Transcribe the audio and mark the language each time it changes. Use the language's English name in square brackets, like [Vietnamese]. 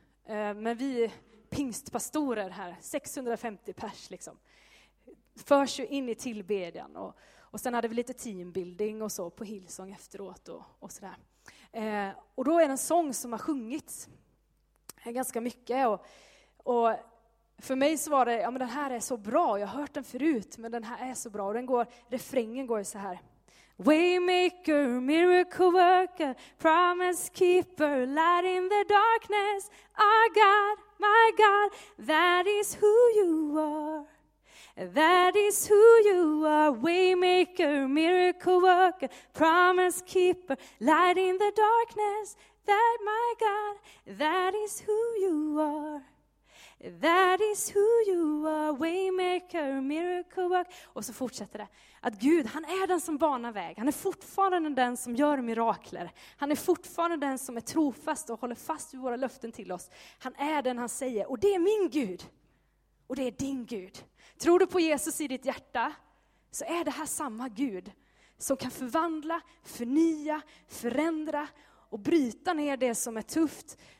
[Swedish] Men vi pingstpastorer här, 650 pers liksom, förs ju in i tillbedjan och sen hade vi lite teambuilding och så på Hillsong efteråt och sådär. Och då är det en sång som har sjungits ganska mycket. Och för mig så var det, ja men den här är så bra. Jag har hört den förut, men den här är så bra. Och den går, refrängen går ju så här. [English] Waymaker, miracle worker, promise keeper, light in the darkness. Our God, my God, that is who you are. That is who you are, waymaker, miracle worker, promise keeper, light in the darkness, that my God, that is who you are. That is who you are, waymaker, miracle worker. [Swedish] Och så fortsätter det. Att Gud, han är den som banar väg. Han är fortfarande den som gör mirakler. Han är fortfarande den som är trofast och håller fast vid våra löften till oss. Han är den han säger, och det är min Gud. Och det är din Gud. Tror du på Jesus i ditt hjärta, så är det här samma Gud som kan förvandla, förnya, förändra och bryta ner det som är tufft.